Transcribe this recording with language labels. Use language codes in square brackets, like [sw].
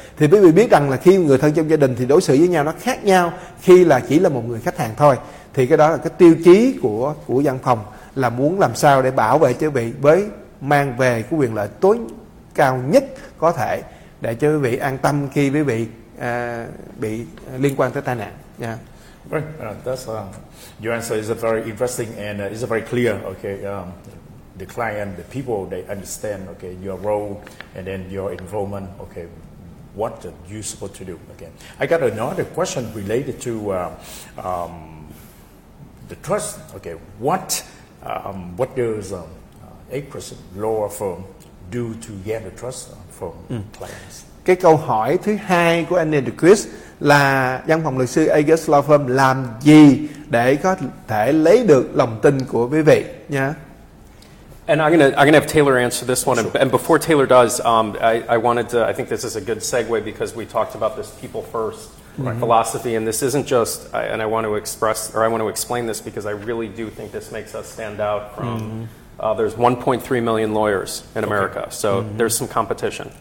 [vi] Thì quý vị biết rằng là khi người thân trong gia đình thì đối xử với nhau nó khác nhau khi là chỉ là một người khách hàng thôi. Thì cái đó là cái tiêu chí của văn phòng là muốn làm sao để bảo vệ cho quý vị với mang về cái quyền lợi tối cao nhất có thể để cho quý vị an tâm khi quý vị bị liên quan tới tai nạn. [en] Yeah. Right. That's your answer is a very interesting and is a very clear. Okay. The client, the people, they understand. Okay. Your role and then your involvement. Okay. What you supposed to do? Okay. I got another question related to the trust. Okay. What does Agruss Law Firm do to gain the trust from clients? [vi] Cái câu hỏi thứ hai của anh Agruss là văn phòng luật sư Agruss Law Firm làm gì để có thể lấy được lòng tin của quý vị nhé. [en] And I'm gonna have Taylor answer this one. Sure. And before Taylor does, I think this is a good segue because we talked about this people first philosophy, and this isn't just. And I want to explain this because I really do think this makes us stand out from. Mm-hmm. There's 1.3 million lawyers in America, okay. So mm-hmm. there's some competition.